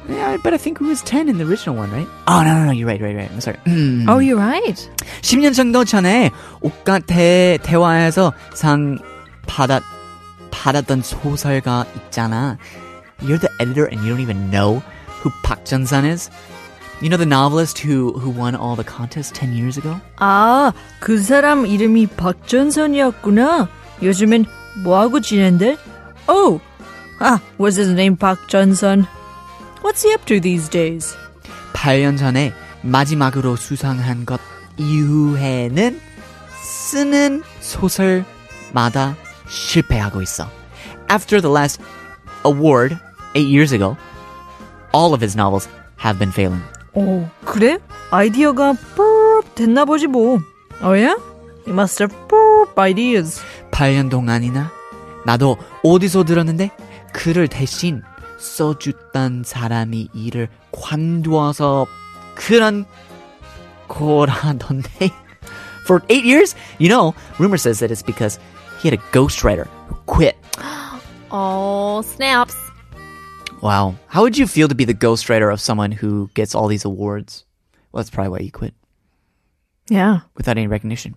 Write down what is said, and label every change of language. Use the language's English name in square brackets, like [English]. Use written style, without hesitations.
[English] Yeah, but I think it was 10 in the original one, right? Oh, no, no, no. You're right, right, right. I'm sorry. Oh, you're right. [Korean] 10년 정도 전에 옥가 대화에서 상 받았던 소설가 있잖아. [English] You're the editor and you don't even know who Park Jun-sun is? You know the novelist who won all the contests 10 years ago? [Korean] 아, 그 사람 이름이 박전선이었구나. 요즘엔 뭐하고 지낸데? [English] Oh, was his name 박전선? What's he up to these days? [Korean] 8년 전에 마지막으로 수상한 것 이후에는 쓰는 소설마다 실패하고 있어. [English] After the last award, 8 years ago, all of his novels have been failing. [Korean] 오, 그래? 아이디어가 뿌읍 됐나 보지 뭐. [English] Oh yeah? He must have bloop ideas. [Korean] 8년 동안이나 나도 어디서 들었는데 그를 대신 써줬던 사람이 일을 관두어서 그런 거라던데. [English] For 8 years? You know, rumor says that it's because he had a ghostwriter who quit. Oh, snaps. Wow. How would you feel to be the ghostwriter of someone who gets all these awards? Well, that's probably why you quit. Yeah. Without any recognition.